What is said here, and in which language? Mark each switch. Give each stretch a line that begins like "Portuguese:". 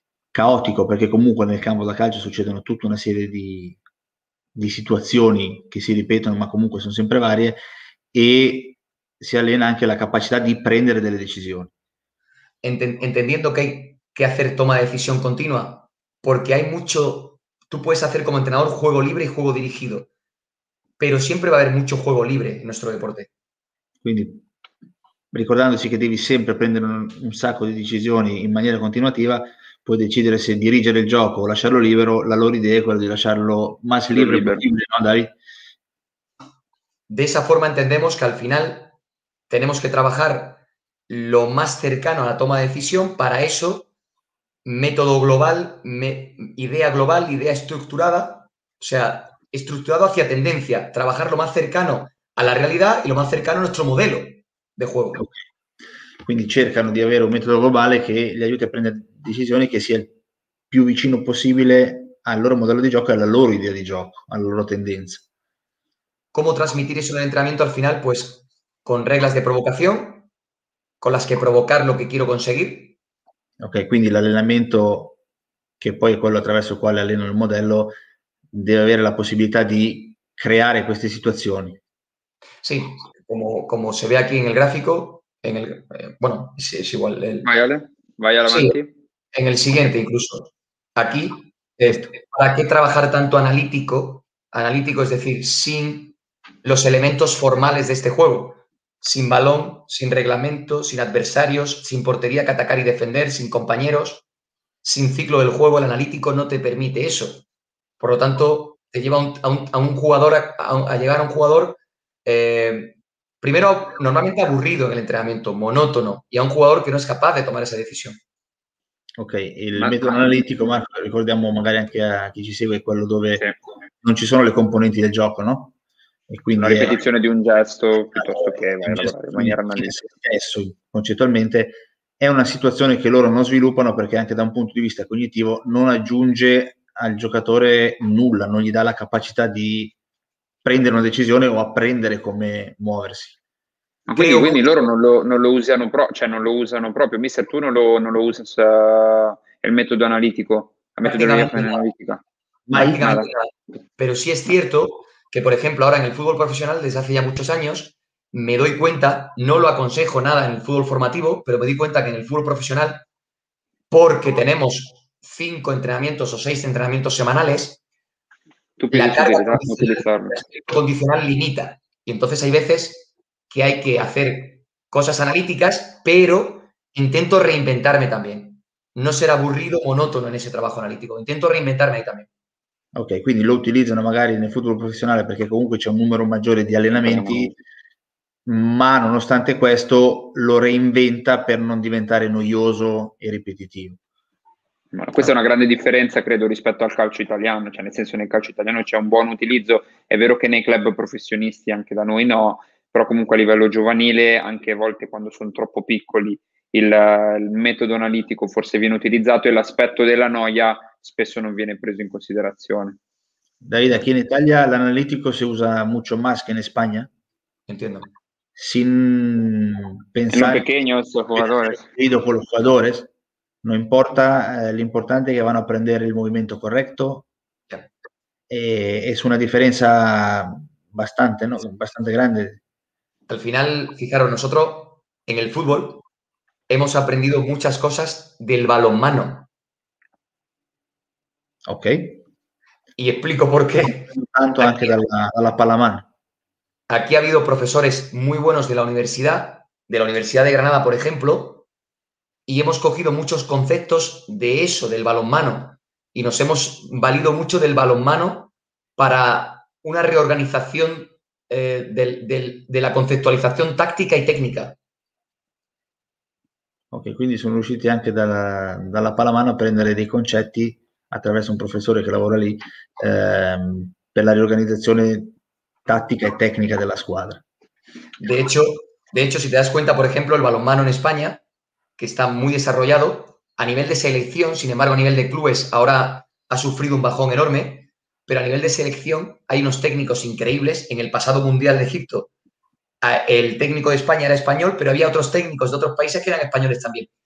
Italian: Caotico, perché comunque nel campo da calcio succedono tutta una serie di situazioni che si ripetono, ma comunque sono sempre varie, e si allena anche la capacità di prendere delle decisioni.
Spanish: Entendiendo che hay que hacer toma de decisión continua, porque hay mucho, tú puedes hacer como entrenador juego libre y juego dirigido, pero siempre va a haber mucho juego libre en nuestro deporte.
Italian: Quindi, ricordandosi che devi sempre prendere un sacco di decisioni in maniera continuativa, puoi decidere se dirigere il gioco o lasciarlo libero. La loro idea è quella di lasciarlo
Spanish: más libre
Italian: possibile, no, dai.
Spanish: De esa forma entendemos que al final tenemos que trabajar lo más cercano a la toma de decisión. Para eso, método global, idea global, idea estructurada, o sea, estructurado hacia tendencia, trabajar lo más cercano a la realidad y lo más cercano a nuestro modelo de juego. Okay.
Italian: Quindi cercano di avere un metodo globale che li aiuti a prendere decisioni che sia il più vicino possibile al loro modello di gioco e alla loro idea di gioco, alla loro tendenza. Come trasmettere
Spanish: eso nell'entrenamento al final? Pues con reglas de provocación, con las que provocar lo que quiero conseguir.
Italian: Ok, quindi l'allenamento, che poi è quello attraverso il quale alleno il modello, deve avere la possibilità di creare queste situazioni. Sì, come se ve qui nel grafico.
Spanish: En el, bueno, es igual. Vaya adelante. Sí, en el siguiente incluso. Aquí, ¿para qué trabajar tanto analítico? Analítico, es decir, sin los elementos formales de este juego. Sin balón, sin reglamento, sin adversarios, sin portería que atacar y defender, sin compañeros, sin ciclo del juego. El analítico no te permite eso. Por lo tanto, te lleva a un jugador, a llegar a un jugador... primero, normalmente aburrido en el entrenamiento, monótono, y a un jugador que no es capaz de tomar esa decisión.
Italian: Ok,
Spanish: el método analítico,
Italian: Marco, recordiamo magari anche a chi ci segue, quello dove sì, non ci sono le componenti del gioco, no? E quindi la ripetizione di un gesto piuttosto che in maniera analitica. Adesso, concettualmente, è una situazione che loro non sviluppano perché anche da un punto di vista cognitivo non aggiunge al giocatore nulla, non gli dà la capacità di prendere una decisione o apprendere come muoversi. Okay, quindi loro non lo usano proprio. Mister, tu non lo usi il metodo analitico? Il metodo analitico.
Spanish: Pero sí es cierto que, por ejemplo, ahora en el fútbol profesional, desde hace ya muchos años, me doy cuenta, no lo aconsejo nada en el fútbol formativo, pero me di cuenta que en el fútbol profesional, porque tenemos 5 entrenamientos o 6 entrenamientos semanales, la carga condicional limita. Y entonces hay veces que hay que hacer cosas analíticas, pero intento reinventarme también. No ser aburrido o monótono en ese trabajo analítico. Intento reinventarme ahí también.
Italian: Ok, quindi lo utilizzano magari nel football professionale perché comunque c'è un numero maggiore di allenamenti, ma nonostante questo lo reinventa per non diventare noioso e ripetitivo. Questa è una grande differenza, credo, rispetto al calcio italiano, cioè nel senso nel calcio italiano c'è un buon utilizzo, è vero che nei club professionisti, anche da noi no, però comunque a livello giovanile, anche a volte quando sono troppo piccoli, il metodo analitico forse viene utilizzato e l'aspetto della noia spesso non viene preso in considerazione. Davide, qui in Italia l'analitico si usa molto
Spanish: más
Italian: che in Spagna?
Spanish: Entiendo. Sin
Italian: pensare...
Spanish: pequeños jugadores.
Italian: Dopo
Spanish: los jugadores...
Italian: Non importa, l'importante è che vanno a prendere il movimento corretto. È una differenza
Spanish: bastante,
Italian: no?
Spanish: Bastante grande. Al final, fijaros, nosotros en el fútbol hemos aprendido muchas cosas del balonmano. Ok. Y explico por qué. Tanto aquí,
Italian: anche dalla palamano.
Spanish: Aquí ha habido profesores muy buenos de la Universidad de Granada, por ejemplo, y hemos cogido muchos conceptos de eso, del balonmano, y nos hemos valido mucho del balonmano para una reorganización de la conceptualización táctica y técnica.
Italian: Ok, quindi sono riusciti anche dalla palamano a prendere dei concetti attraverso un professore che lavora lì per la riorganizzazione tattica e tecnica della squadra.
Spanish: De hecho, si te das cuenta, por ejemplo, el balonmano en España, que está muy desarrollado a nivel de selección, sin embargo, a nivel de clubes, ahora ha sufrido un bajón enorme, pero a nivel de selección hay unos técnicos increíbles. En el pasado Mundial de Egipto, el técnico de España era español, pero había otros técnicos de otros países que eran españoles también.